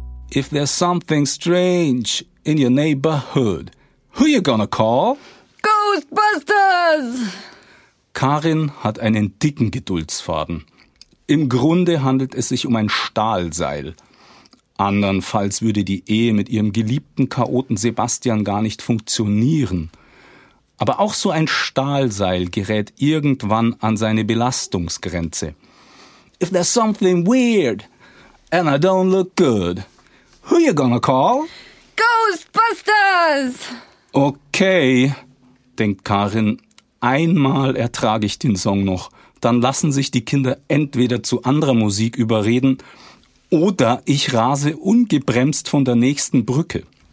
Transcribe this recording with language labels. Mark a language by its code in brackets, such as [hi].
[en] If there's something strange in your neighborhood, who you gonna call? Ghostbusters! [de] Karin hat einen dicken Geduldsfaden. Im Grunde handelt es sich um ein Stahlseil. Andernfalls würde die Ehe mit ihrem geliebten Chaoten Sebastian gar nicht funktionieren. Aber auch so ein Stahlseil gerät irgendwann an seine Belastungsgrenze. [en] If there's something weird and I don't look good, who you gonna call? Ghostbusters! [de] Okay, denkt Karin, einmal ertrage ich den Song noch. Dann lassen sich die Kinder entweder zu anderer Musik überreden oder ich rase ungebremst von der nächsten Brücke.